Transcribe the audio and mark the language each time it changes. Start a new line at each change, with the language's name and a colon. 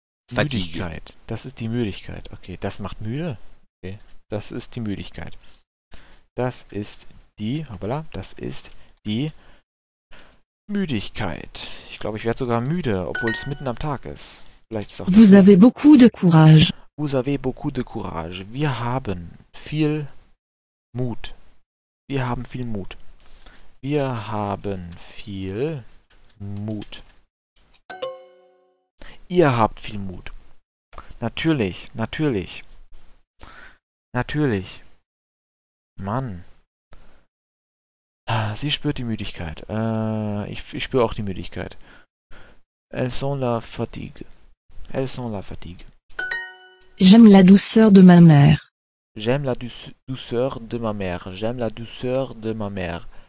French: Fatigue.
German: Müdigkeit. Das ist die Müdigkeit. Okay, das macht müde. Okay, das ist die Müdigkeit. Das ist die, hoppala, das ist die Müdigkeit. Ich glaube, ich werde sogar müde, obwohl es mitten am Tag ist. Vielleicht ist auch
French: Vous avez beaucoup de courage. Vous avez beaucoup de courage.
German: Wir haben viel Mut. Wir haben viel Mut. Wir haben viel Mut. Ihr habt viel Mut. Natürlich, natürlich. Natürlich. Mann. Sie spürt die Müdigkeit. Ich spüre auch die Müdigkeit.
French: Elles sont la fatigue. Elles sont la fatigue. J'aime la douceur de ma mère. J'aime la douceur de ma mère. J'aime la douceur de ma mère.